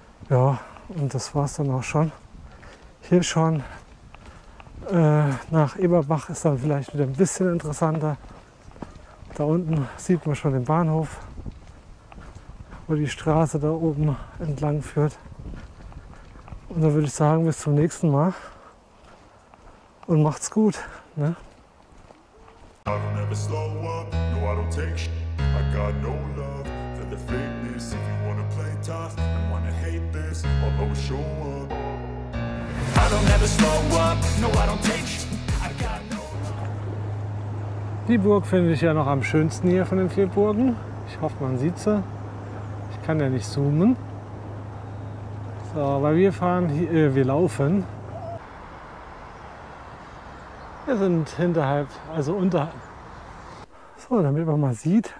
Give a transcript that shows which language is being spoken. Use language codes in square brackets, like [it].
[de] Ja, und das war es dann auch schon. Hier schon nach Eberbach ist dann vielleicht wieder ein bisschen interessanter. Da unten sieht man schon den Bahnhof, wo die Straße da oben entlang führt. Und dann würde ich sagen, bis zum nächsten Mal. Und macht's gut, ne? [en] I don't ever slow up, no I don't take sh**. I got no love for the fakeness. If you wanna play tough and wanna hate this, I'll always show up. I don't ever slow up, no I don't take sh**. [de] Die Burg finde ich ja noch am schönsten hier von den vier Burgen. Ich hoffe, man sieht sie. Ich kann ja nicht zoomen. So, aber wir fahren hier, wir laufen. Wir sind hinterhalb, also unter. So, damit man mal sieht.